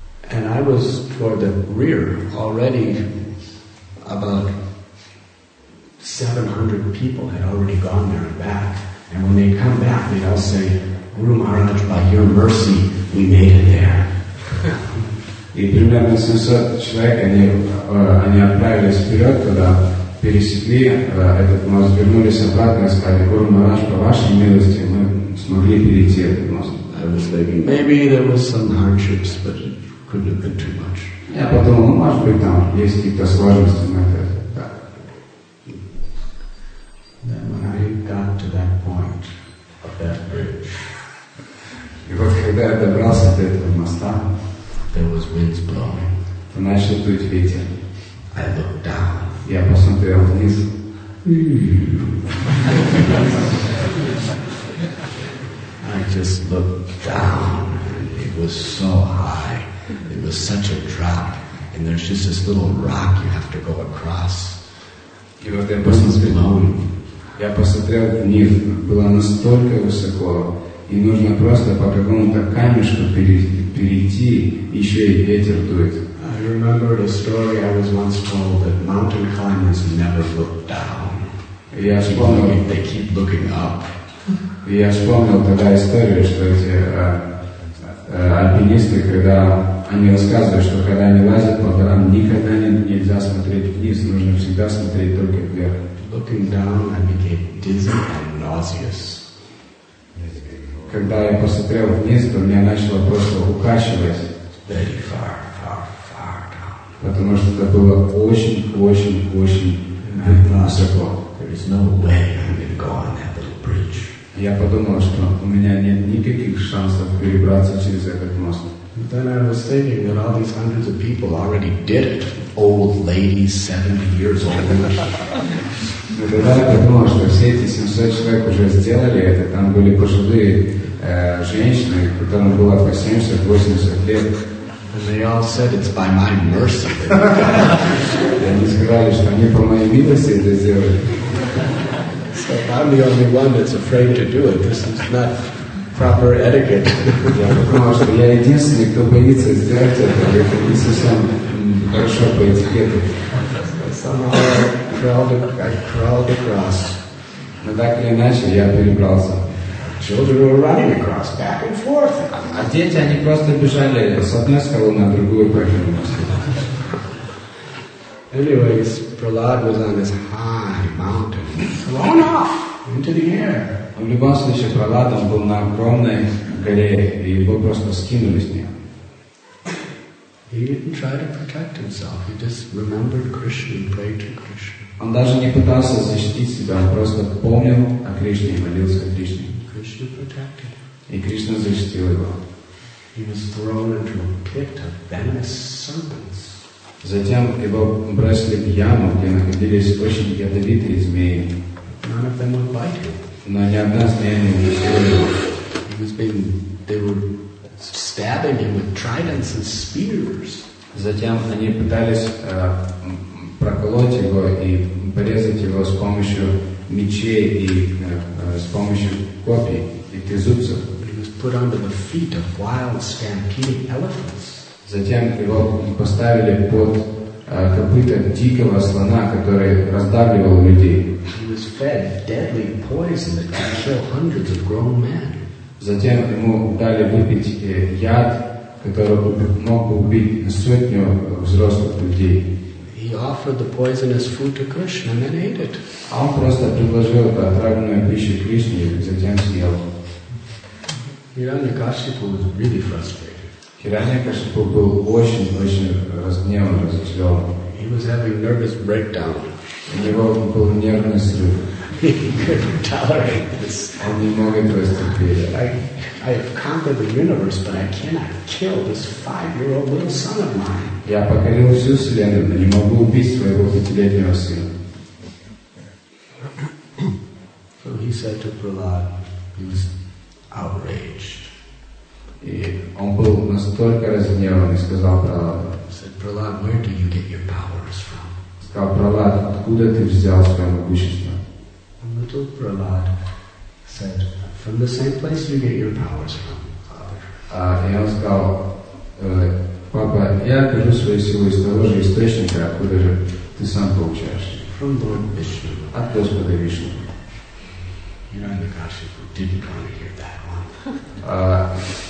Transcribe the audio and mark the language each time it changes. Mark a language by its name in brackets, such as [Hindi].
[English] And I was toward the rear already about 700 people had already gone there and back. And when they come back, they all say, Guru Maharaj, by your mercy, we made it there. [Russian] И примерно 700 человек, они отправились вперед, когда пересекли этот мост, вернулись обратно и сказали, Гуру Махарадж, по вашей милости, мы смогли перейти этот мост. [English] Maybe there was some hardships, but it couldn't have been too much. [Russian] Я подумал, может быть, там есть какие-то сложности на это. [English] Then when I got to that point of that bridge, [Russian] и вот когда я добрался до этого моста, [English] there was winds blowing. [Russian] То начал дуть ветер. [English] I looked down. [Russian] Я посмотрел вниз. [English] I just looked down, and it was so high. It was such a drop, and there's just this little rock you have to go across. [Russian] И вот я посмотрел. Я посмотрел вниз, было настолько высоко, и нужно просто по какому-то камешку перейти, еще и ветер дует. [English] I remembered a story I was once told that mountain climbers never look down. [Russian] Я вспомнил, [English] they keep looking up. [Russian] Я вспомнил тогда историю, что эти альпинисты, когда они рассказывают, что когда они лазят по горам, никогда нельзя смотреть вниз, нужно всегда смотреть только вверх. [English] Looking down, I became dizzy and nauseous. [Russian] Когда я посмотрел вниз, то меня начало просто укачивать. [English] Very far, far, far down. [Russian] Потому что это было очень высоко. [English] There is no way I'm going to go on that little bridge. [Russian] Я подумал, что у меня нет никаких шансов перебраться через этот мост. [English] But then I was thinking that all these hundreds of people already did it. Old ladies, 70 years old. [Russian] Тогда я подумал, что все эти 700 человек уже сделали это. Там были пожилые женщины, которым было по 70-80 лет. [English] And they all said, it's by my mercy. [Russian] Они сказали, что они по моей милости это сделали. [English] So I'm the only one that's afraid to do it. This is not proper etiquette. [Russian] Я подумал, что я единственный, кто боится сделать это. Это не совсем хорошо по этикету. [English] I crawled across. [Russian] Но так или иначе, я перебрался. [English] Children were running across, back and forth. [Russian] А дети, они просто бежали с одной скалы на другую поверхность. [English] Anyways, Prahlad was on this high mountain, thrown off into the air. [Russian] В любом случае, Прохлад был на огромной горе, и его просто скинули с нее. [English] He didn't try to protect himself. He just remembered Krishna and prayed to Krishna. [Russian] Он даже не пытался защитить себя, он просто помнил о Кришне и молился о Кришне. [English] Krishna protected him. [Russian] И Кришна защитил его. [English] He was thrown into a pit of venomous serpents. [Russian] Затем его бросили в яму, где находились очень ядовитые змеи. [English] None of them would bite him. [Russian] Но ни одна змея не укусила его. [English] He was being, they were stabbing him with tridents and spears. [Russian] Затем они пытались проколоть его и порезать его с помощью мечей и с помощью копий и тезубцев. [English] He was put under the feet of wild stampeding elephants. [Russian] Затем его поставили под копыта дикого слона, который раздавливал людей. [English] He was fed deadly poison that could kill hundreds of grown men. [Russian] Затем ему дали выпить яд, который мог бы убить сотню взрослых людей. [English] He offered the poisonous food to Krishna and then ate it. [Russian] Он просто предложил эту отравленную пищу Кришне и затем съел. [English] Хираньякашипу was really frustrated. [Russian] Хираньякашипу был очень разгневан, разочарован. [English] He was having nervous breakdown. [Russian] У него был нервный срыв. [English] He couldn't tolerate this. [Russian] Он не мог этого терпеть. [English] I have conquered the universe, but I cannot kill this five-year-old little son of mine. [Russian] Я покорил всю вселенную, но не могу убить своего пятилетнего сына. [English] So he said to Prahlad, he was outraged. [Russian] И он был настолько разгневан и сказал Прахладу. [English] Said Prahlad, where do you get your powers from? [Russian] Сказал Прахлад, откуда ты взял свое могущество? [English] And little Prahlad said, from the same place you get your powers from, Father. [Russian] И он сказал, папа, я беру свою силу из того же источника, откуда же ты сам получаешь. [English] From Lord Vishnu. [Russian] От Господа Вишну. [English] You know, Hiranyakashipu didn't want to hear that one.